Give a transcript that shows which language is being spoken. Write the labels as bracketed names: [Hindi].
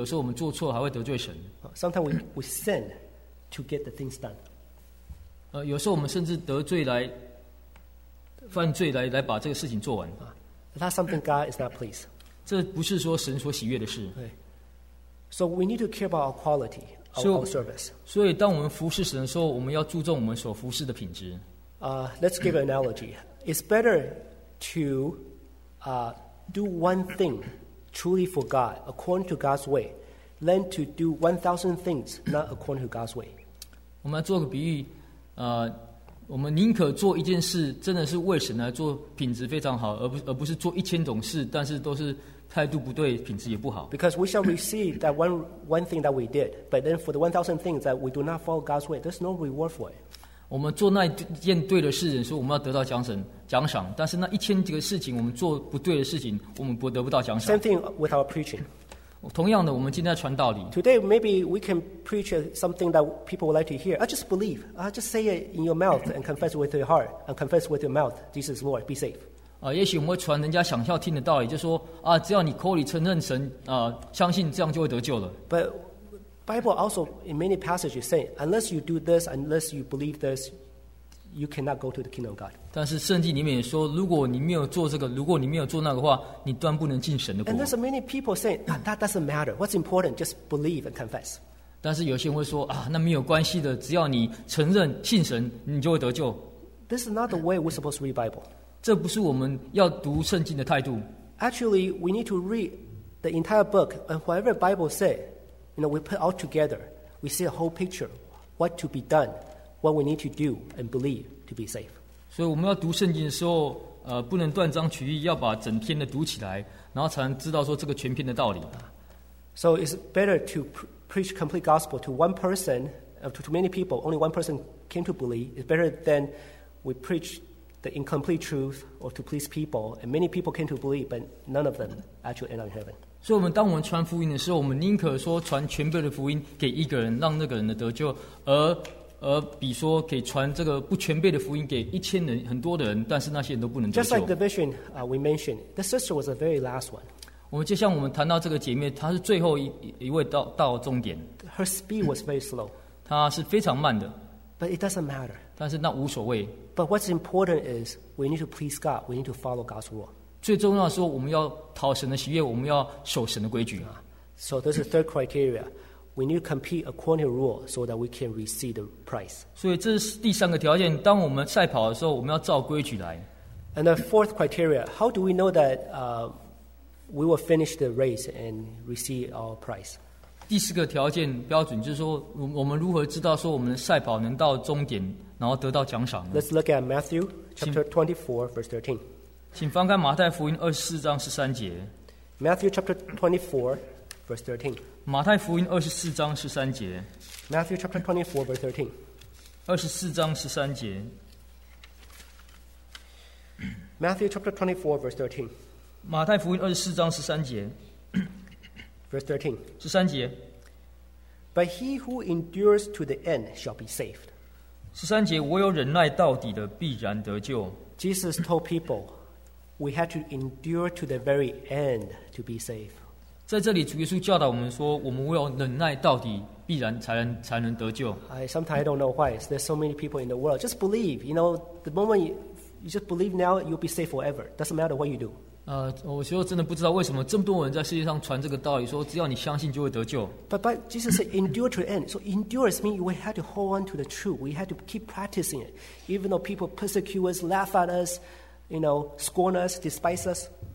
[Chinese] 所以我们看到说，我们每一个人都能服侍神，但是我们是有对的品质呢，或是我们态度对吗？甚至有时候我们做错还会得罪神。 [English] Sometimes we sin to get the things done. [Chinese] 有时候我们甚至得罪来犯罪来把这个事情做完。 [English] That's something God is not pleased. [Chinese] 这不是说神所喜悦的事。 [English] So we need to care about our quality, our service. [Chinese] 所以当我们服侍神的时候，我们要注重我们所服侍的品质。 [English] Let's give an analogy. It's better to do one thing truly for God, according to God's way, than to do 1,000 things not according to God's way. [Chinese] 我们来做个比喻，我们宁可做一件事真的是为神来做，品质非常好，而不是做一千种事但是都是态度不对，品质也不好。 [English] Because we shall receive that one thing that we did, but then for the 1,000 things that we do not follow God's way, there's no reward for it. [Chinese] 我们做那一件对的事，人说我们要得到奖赏，但是那一千几个事情，我们做不对的事情，我们不得不到奖赏。 [English] Same thing with our preaching. [Chinese] 同样的，我们今天在传道理。 [English] Today maybe we can preach something that people would like to hear. I just believe. I just say it in your mouth and confess with your heart and confess with your mouth, Jesus Lord, be safe. [Chinese] 也许我们会传人家想要听的道理，就说啊，只要你口里承认神，相信这样就会得救了。 [English] But Bible also in many passages say, unless you do this, unless you believe this, you cannot go to the kingdom of God. [Chinese] 但是圣经里面也说，如果你没有做这个，如果你没有做那个话，你断不能进神的国。 [English] And there's many people saying that doesn't matter. What's important? Just believe and confess. [Chinese] 但是有些人会说啊，那没有关系的，只要你承认信神，你就会得救。 [English] This is not the way we're supposed to read Bible. [Chinese] 这不是我们要读圣经的态度。 [English] Actually, we need to read the entire book, and whatever Bible say, you know, we put all together, we see a whole picture, what to be done, what we need to do, and believe to be safe. [Chinese] 所以我们要读圣经的时候，不能断章取义，要把整篇的读起来，然后才能知道说这个全篇的道理。 [English] So it's better to preach complete gospel to one person, to many people, only one person came to believe. It's better than we preachthe incomplete truth or to please people, and many people came to believe, but none of them actually end up in heaven. [Chinese] 所以我们当我们传福音的时候，我们宁可说传全部的福音给一个人，让那个人的得救，而比说给传这个不全备的福音给一千人，很多的人，但是那些人都不能得救。 [English] Just like the vision we mentioned, the sister was the very last one. [Chinese] 我们就像我们谈到这个姐妹，她是最后一位到终点。 [English] Her speed was very slow. [Chinese] 她是非常慢的。 [English] But it doesn't matter. [Chinese] 但是那无所谓。 [English] But what's important is we need to please God. We need to follow God's rule. [Chinese] 最重要的是我们要讨神的喜悦，我们要守神的规矩。 [English] So this is the third criteria. We need to compete according to the rule so that we can receive the prize. [Chinese] 所以这是第三个条件。当我们赛跑的时候，我们要照规矩来。 [English] And the fourth criteria. How do we know that we will finish the race and receive our prize? [Chinese] 第四个条件标准就是说，我们如何知道说我们的赛跑能到终点？然后得到奖赏。 [English] Let's look at Matthew chapter 24, verse 13. [Chinese] 请翻开马太福音24:13. [English] Matthew chapter 24, verse 13. [Chinese] 马太福音24:13. [English] Matthew chapter 24, verse 13. [Chinese] 24:13. [English] Matthew chapter 24, verse 13. [Chinese] 马太福音24:13. [English] Verse 13. [Chinese] 十三节。 [English] But he who endures to the end shall be saved. [Chinese] 十三节，我有忍耐到底的，必然得救。 [English] Jesus told people, we had to endure to the very end to be safe. [Chinese] 在这里，主耶稣教导我们说，我们唯有忍耐到底，必然才能得救。 [English] Sometimes I don't know why there's so many people in the world. Just believe, you know, the moment you just believe now, you'll be safe forever. Doesn't matter what you do. [Chinese] 我其实真的不知道为什么这么多人在世界上传这个道理，说只要你相信就会得救。 [English] But Jesus said endure to the end. So endure means we have to hold on to the truth. We have to keep practicing it, even though people persecute us, laugh at us, you know, scorn us, despise us.